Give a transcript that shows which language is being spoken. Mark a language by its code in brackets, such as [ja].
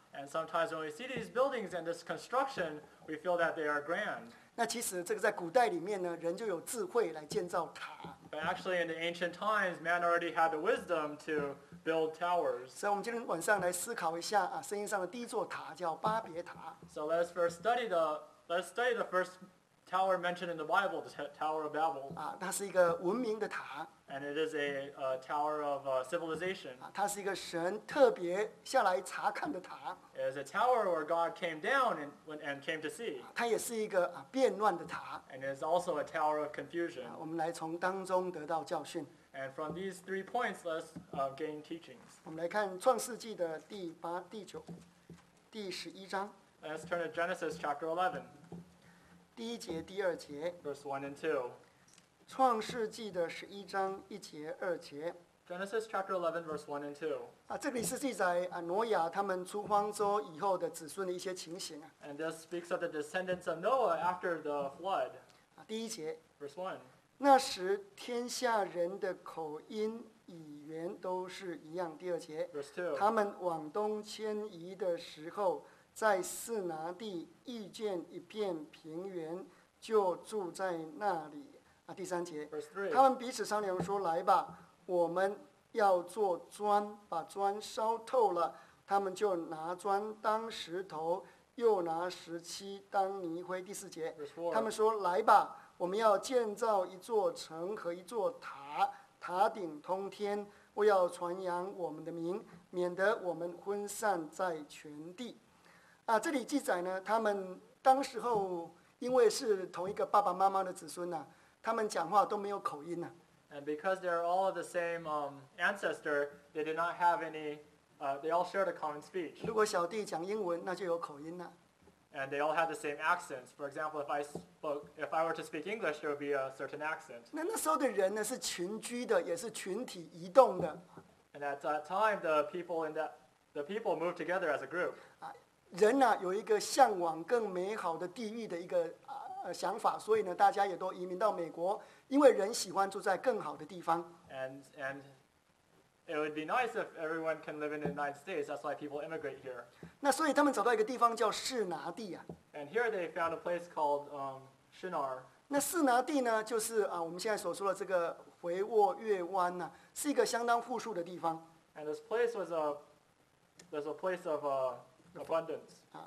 [en] And sometimes when we see these buildings and this construction, we feel that they are grand. [zh] 那其实这个在古代里面呢，人就有智慧来建造塔。 [en] But actually, in the ancient times, man already had the wisdom to build towers. [zh] 所以我们今天晚上来思考一下啊，圣经上的第一座塔叫巴别塔。 [en] So let's study the first tower mentioned in the Bible, the Tower of Babel. [zh] 它是一个文明的塔。 [en] And it is a tower of civilization. [zh] 它是一个神特别下来查看的塔。 [en] It is a tower where God came down and came to see. [zh] 它也是一个变乱的塔。 [en] And it is also a tower of confusion. [zh] 我们来从当中得到教训。 [en] And from these three points, let's gain teachings. [zh] 我们来看创世纪的第八、第九、第十一章。 [en] Let's turn to Genesis chapter 11. [zh] 第一节、第二节。 [en] Verse 1 and 2. [zh] 创世纪的十一章一节二节。 [en] Genesis chapter 11 verse 1 and 2. [zh] 这里是记载挪亚他们出方舟以后的子孙的一些情形。 [en] And this speaks of the descendants of Noah after the flood. [zh] 第一节。 [en] Verse 1. [zh] 那时天下人的口音语言都是一样。第二节。 [en] Verse 2. [zh] 他们往东迁移的时候，在示拿地遇见一片平原，就住在那里。第三节，他们彼此商量说：“来吧，我们要做砖，把砖烧透了。” 他们就拿砖当石头，又拿石漆当泥灰。第四节，他们说：“来吧，我们要建造一座城和一座塔，塔顶通天，为要传扬我们的名，免得我们昏散在全地。” 这里记载呢，他们当时候因为是同一个爸爸妈妈的子孙呢。他们讲话都没有口音呢。 [en] And because they're all of the same ancestor, they did not have any. They all shared a common speech. [zh] 如果小弟讲英文，那就有口音了。 [en] And they all had the same accents. For example, if I were to speak English, there would be a certain accent. [zh] 那时候的人呢是群居的，也是群体移动的。 [en] And at that time, the people moved together as a group. [zh] 人呢有一个向往更美好的地域的一个。想法，所以呢，大家也都移民到美国，因为人喜欢住在更好的地方。 [en] And it would be nice if everyone can live in the United States. That's why people immigrate here. [zh] 那所以他们找到一个地方叫示拿地啊。 [en] And here they found a place called Shinar. [zh] 那示拿地呢，就是我们现在所说的这个回卧月湾呢、是一个相当富庶的地方。 [en] And this place was a place of abundance.